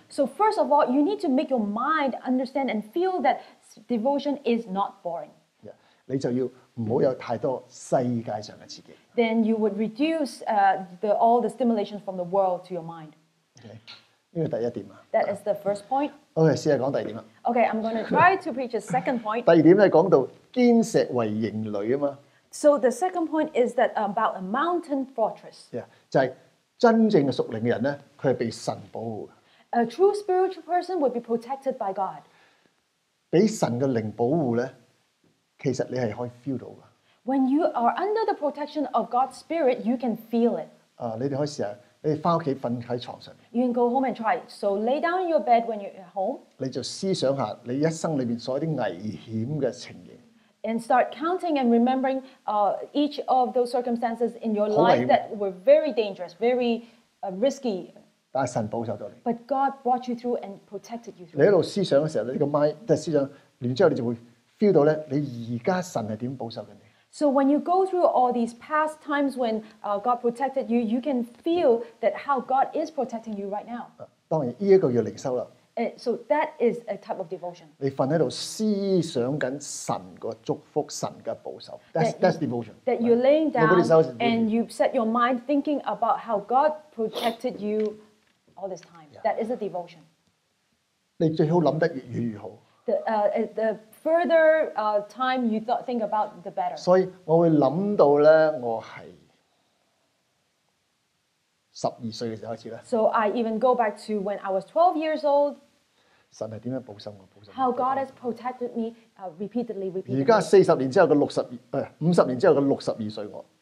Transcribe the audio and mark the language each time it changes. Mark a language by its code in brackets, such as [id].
[en] So first of all, you need to make your mind understand and feel that devotion is not boring. [yue] Yeah, 你就要唔好有太多世界上嘅刺激。 [en] Then you would reduce all the stimulation from the world to your mind. [yue] Okay. 呢個第一點啊。 [en] That is the first point. [yue] Okay, 試下講第二點啊。 [en] Okay, I'm going to try to preach a second point. [yue] 第二點咧講到堅石為營壘啊嘛。 [en] So the second point is that about a mountain fortress. [yue] Yeah, 就係真正嘅屬靈人咧，佢係被神保護嘅。 [en] A true spiritual person would be protected by God. [yue] 俾神嘅靈保護咧，其實你係可以 feel 到噶。 [en] When you are under the protection of God's spirit, you can feel it. [yue] 啊，你哋可以試下。你翻屋企瞓喺牀上。 [en] You can go home and try. So lay down your bed when you're at home. [yue] 你就思想下你一生裏邊所有啲危險嘅情形。 [en] And start counting and remembering each of those circumstances in your life that were very dangerous, very risky. [yue] 但係神保守咗你。 [en] But God brought you through and protected you through. [yue] 你一路思想嘅時候，你個 mind 即係思想，然之後你就會 feel 到咧，你而家神係點保守緊你。 [en] So when you go through all these past times when God protected you, you can feel that how God is protecting you right now. [yue] 當然，這個叫靈修啦。 [en] So that is a type of devotion. [yue] 你瞓喺度思想緊神個祝福、神嘅保守。 [en] That's devotion. That you're laying down and you set your mind thinking about how God protected you all this time. Yeah. That is a devotion. [yue] 你最好諗得越遠越好。 [en] The further time you think about, the better. [yue] 所以我會諗到咧，我係十二歲嘅時候開始咧。 [en] So I even go back to when I was 12 years old. [yue] 神係點樣保守我？保守。 [en] How God has protected me repeatedly, repeatedly. [yue] 而家四十年之後嘅六十二，五十年之後嘅六十二歲我。